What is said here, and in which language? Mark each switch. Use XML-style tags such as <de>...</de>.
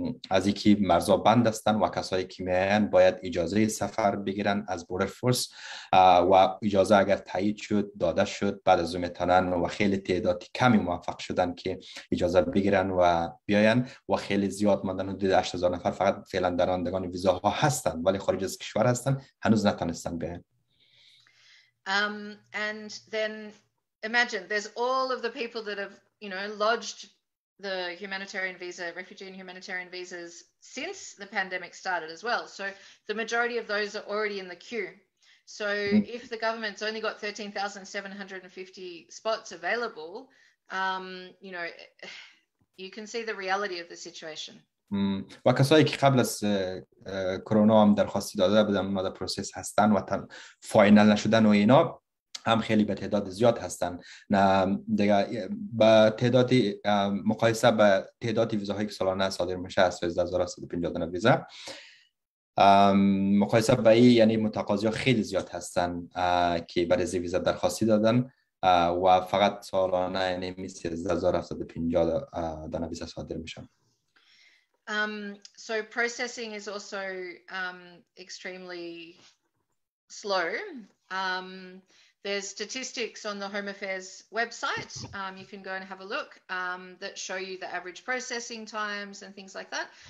<fa>از اینکه مرزا بند هستن و کسایی که میان باید اجازه سفر بگیرن از بوردر فورس و اجازه اگر تایید شد داده شد بعد از اون میتونن و خیلی تعداد کمی موفق شدن که اجازه بگیرن و بیاین و خیلی زیاد ماندن حدود 8,000 نفر فقط فعلا دارندگان ویزاها هستن ولی خارج از کشور هستن هنوز نتونستن.</fa> <en>And then imagine there's all of the people that have, you know, lodged the humanitarian visa, refugee and humanitarian visas since the pandemic started as well. So the majority of those are already in the queue. So if the government's only got 13,750 spots available, you know, you can see the reality of the situation.</en> <fa>و کسایی که قبل از کرونا هم درخواستی داده بودن اونا در پروسس هستن و تن فاینل نشدن و اینا هم خیلی به تعداد زیاد هستن دیگه به تعداد مقایسه به تعداد ویزاهایی که سالانه صادر میشه از 13,350 تا ویزا مقایسه به این یعنی متقاضی ها خیلی زیاد هستن که برای زی ویزا درخواستی دادن و فقط سالانه یعنی 13,750 تا ویزا صادر میشن.</fa> <en>So processing is also extremely slow. There's statistics on the Home Affairs website. You can go and have a look that show you the average processing times and things like that.</en>